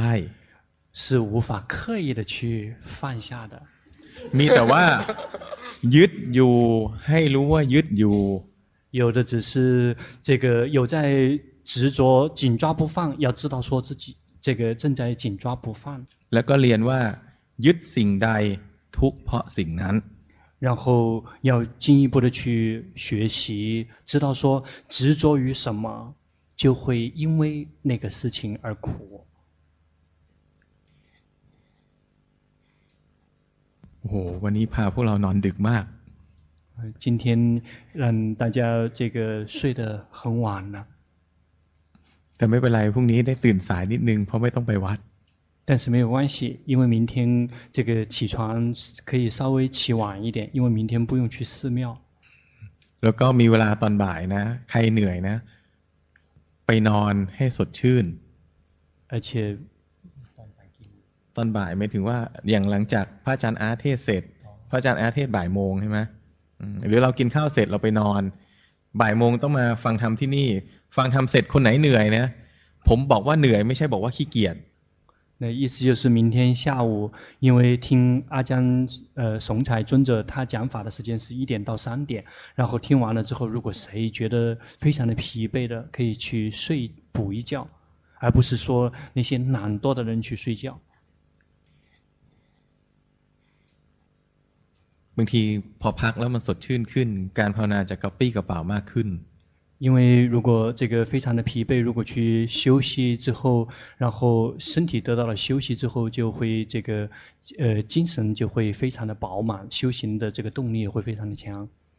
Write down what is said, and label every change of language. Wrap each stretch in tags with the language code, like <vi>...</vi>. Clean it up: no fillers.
<zh>是无法刻意的去放下的</zh> <th>มีแต่ว่ายึดอยู่ให้รู้ว่ายึดอยู่</th> <zh>有的只是这个有在执着紧抓不放要知道说自己这个正在紧抓不放</zh> <th>แล้วก็เรียนว่ายึดสิ่งใดทุกเพราะสิ่งนั้น</th> <zh>然后要进一步的去学习，知道说执着于什么，就会因为那个事情而苦。</zh> <th>โอ้โหวันนี้พาพวกเรานอนดึกมาก</th> <zh>今天让大家这个睡得很晚了</zh> <th>แต่ไม่เป็นไรพรุ่งนี้ได้ตื่นสายนิดนึงเพราะไม่ต้องไปวัด</th> <zh>但是没有关系因为明天这个起床可以稍微起晚一点因为明天不用去寺庙</zh> <th>แล้วก็มีเวลาตอนบ่ายนะใครเหนื่อยนะไปนอนให้สดชื่น</th> <zh>而且</zh> <th>ตอนบ่ายไม่ถึงว่าอย่างหลังจากพระอาจารย์อาเทศเสร็จพระอาจารย์อาเทศบ่ายโมงใช่ไหมหรือเรากินข้าวเสร็จเราไปนอนบ่ายโมงต้องมาฟังธรรมที่นี่ฟังธรรมเสร็จคนไหนเหนื่อยนะผมบอกว่าเหนื่อยไม่ใช่บอกว่าขี้เกียจ</th> <zh>那意思就是明天下午因为听阿江松柴尊者他讲法的时间是一点到三点然后听完了之后如果谁觉得非常的疲惫的可以去睡补一觉而不是说那些懒惰的人去睡觉</zh> <th>บางทีพอพักแล้วมันสดชื่นขึ้นการภาวนาจะกระปี้กระเป๋ามากขึ้น</th> <zh>因为如果这个非常的疲惫如果去休息之后然后身体得到了休息之后就会这个精神就会非常的饱满修行的这个动力会非常的强</zh>